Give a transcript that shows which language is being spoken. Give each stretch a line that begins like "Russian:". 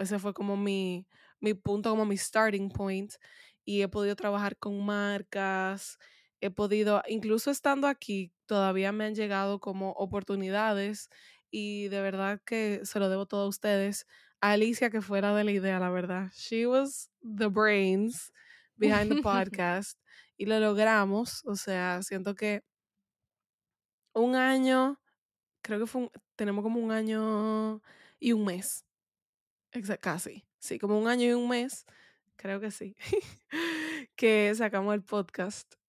Spanish: Ese fue como mi punto, como mi starting point. Y he podido trabajar con marcas, he podido, incluso estando aquí, todavía me han llegado como oportunidades. Y de verdad que se lo debo todo a ustedes. A Alicia, que fuera de la idea, la verdad.
English: She was the brains behind the podcast.
Spanish: Y lo logramos. O sea, siento que un año, creo que tenemos como un año y un mes. Casi. Sí, como un año y un mes. Creo que sí. Que sacamos el podcast.